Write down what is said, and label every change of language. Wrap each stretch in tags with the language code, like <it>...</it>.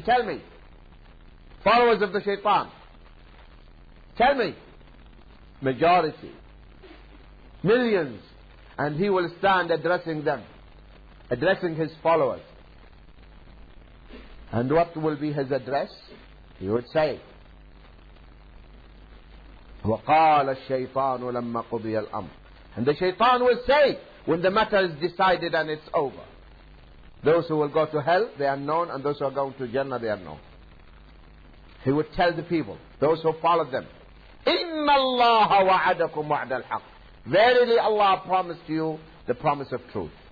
<en>Tell me. Followers of the shaitan. Tell me. Majority. Millions. And he will stand addressing them. Addressing his followers. And what will be his address? He would say,</en> <ar>وَقَالَ الشَّيْطَانُ لَمَّا قُضِيَ الْأَمْرِ.</ar> <en>And the shaitan will say, when the matter is decided and it's over. Those who will go to hell, they are known, and those who are going to Jannah, they are known. He would tell the people, those who follow them,</en> <ar>إِنَّ اللَّهَ وَعَدَكُمْ وَعْدَ الْحَقِّ.</ar> <en>Verily Allah promised you the promise of truth.</en>